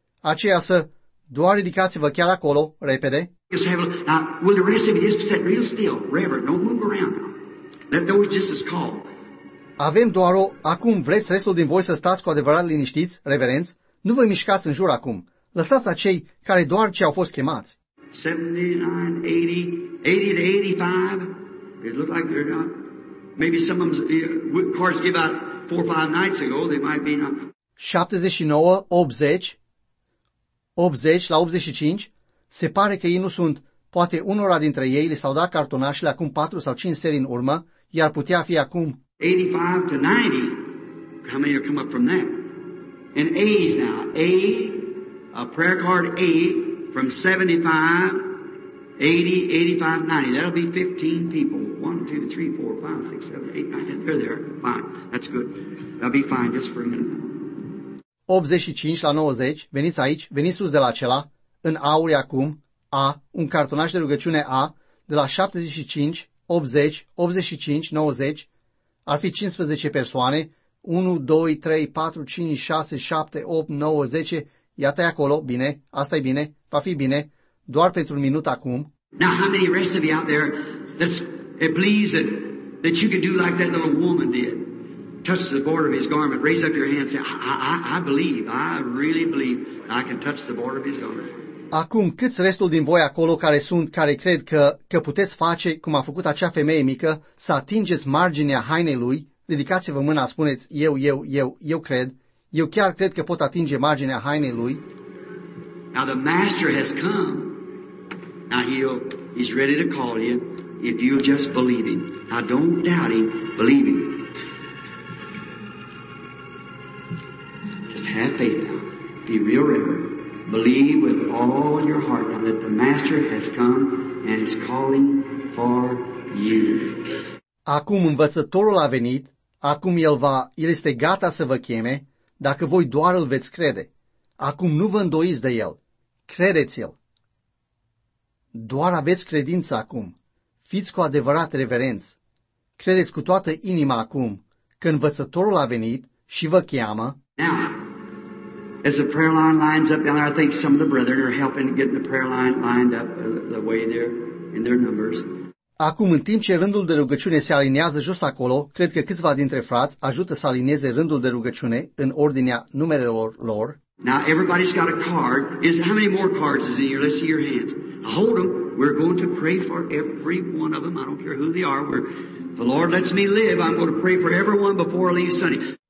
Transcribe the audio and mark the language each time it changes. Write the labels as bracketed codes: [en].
[ro] Aceea să doar ridicați-vă chiar acolo, repede. [en] Will the rest of you just sit real still, reverent, don't move around. Let those just as call. [ro] Avem doar o, acum vreți restul din voi să stați cu adevărat liniștiți, reverenți? Nu vă mișcați în jur acum. Lăsați acei care doar ce au fost chemați. [en] 79, 80, 80 to 85. It looked like they're not. Maybe some of them, cards give out 4-5 nights ago, they might be not. [ro] 79, 80, 80 la 85. Se pare că ei nu sunt, poate unora dintre ei li s-au dat cartonașele acum 4 sau 5 seri în urmă, iar putea fi acum. [en] 85 to 90, how many have come up from that? And A's now, a prayer card A from 75, 80, 85, 90, that'll be 15 people. 1, 2, 3, 4, 5, 6, 7, 8, 9, 10, they're there, fine, that's good, that'll be fine just for a minute. [ro] 85 la 90, veniți aici, veniți sus de la acela, în aurie acum, A, un cartonaș de rugăciune A, de la 75, 80, 85, 90, ar fi 15 persoane, 1, 2, 3, 4, 5, 6, 7, 8, 9, 10, iată-i acolo, bine, asta e bine, va fi bine, doar pentru un minut acum. [en] Now, how many rest of you out there that's, that believes that, that you could do like that little woman did? Touch the border of his garment. Raise up your hand and say, I believe, I really believe I can touch the border of his garment. [ro] Acum, câți restul din voi acolo care sunt, care cred că puteți face, cum a făcut acea femeie mică, să atingeți marginea hainei lui, ridicați-vă mâna, spuneți, eu cred, eu chiar cred că pot atinge marginea hainei lui. [en] Now the master has come. Now he's ready to call you if you just believe him. Now don't doubt him, believe him. Just have faith now. Be real reverent. Believe with all your heart now that the master has come and is calling for you. [ro] Acum învățătorul a venit, acum el este gata să vă cheme, dacă voi doar îl veți crede. Acum nu vă îndoiți de el, credeți-l. Doar aveți credință acum, fiți cu adevărat reverenți. Credeți cu toată inima acum, că învățătorul a venit și vă cheamă. [en] Now, as the prayer line lines up down there, I think some of the brethren are helping get the prayer line lined up the way there in their numbers. [ro] Acum, în timp ce rândul de rugăciune se aliniază jos acolo, cred că câțiva dintre frați ajută să alinieze rândul de rugăciune în ordinea numerelor lor. [en] Now, everybody's got a card. How many more cards is in here? Let's see your hands. Hold them. We're going to pray for every one of them. I don't care who they are. The Lord lets me live. I'm going to pray for everyone before I leave Sunday.